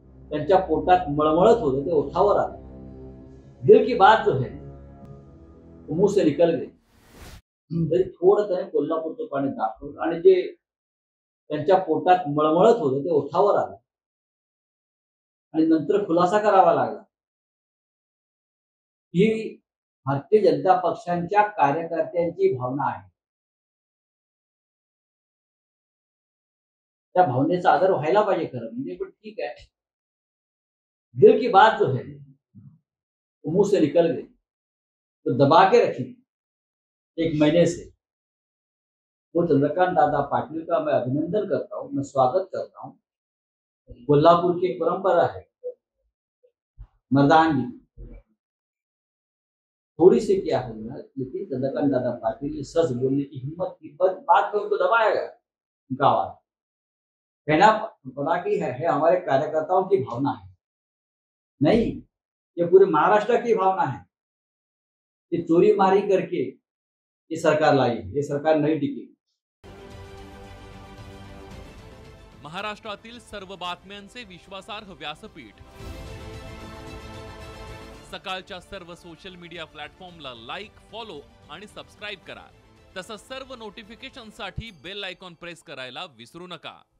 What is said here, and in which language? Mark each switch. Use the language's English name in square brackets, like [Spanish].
[Marathi] त्यांच्या पोटात मळमळत होते, ते ओठावर आले. [Hindi] दिल की बात जो है मुंह से निकल गई. [Marathi] तरी थोडं त्याने कोल्हापूरचं पाणी दाखवलं आणि जे त्यांच्या पोटात मळमळत होते ते ओठावर आले आणि नंतर खुलासा करावा लागला ही भारतीय जनता पक्षांच्या कार्यकर्त्यांची भावना आहे. त्या भावनेचा आदर व्हायला पाहिजे खरं म्हणजे, पण ठीक आहे. [Hindi] दिल की बात जो है मुंह से निकल गई तो दबा के रखी एक महीने से. वो चंद्रकांत दादा पाटील का मैं अभिनंदन करता हूँ, मैं स्वागत करता हूँ. कोल्हापुर की एक परंपरा है मर्दांगी, थोड़ी सी क्या है ना, लेकिन चंद्रकांत दादा पाटील सच बोलने की हिम्मत की, पर बात में उनको दबाया गया. उनका आवाज कहना पता की है हमारे कार्यकर्ताओं की भावना है, नहीं ये पूरे महाराष्ट्र की भावना है कि चोरी मारी करके ये सरकार लाई, ये सरकार नहीं टिकी. [Marathi] महाराष्ट्रातील सर्व बातम्यांचे विश्वासार्ह व्यासपीठ सकाळच्या सर्व सोशल मीडिया प्लॅटफॉर्मला लाईक, फॉलो आणि सबस्क्राईब करा. तसंच सर्व नोटिफिकेशनसाठी बेल आयकॉन प्रेस करायला विसरू नका.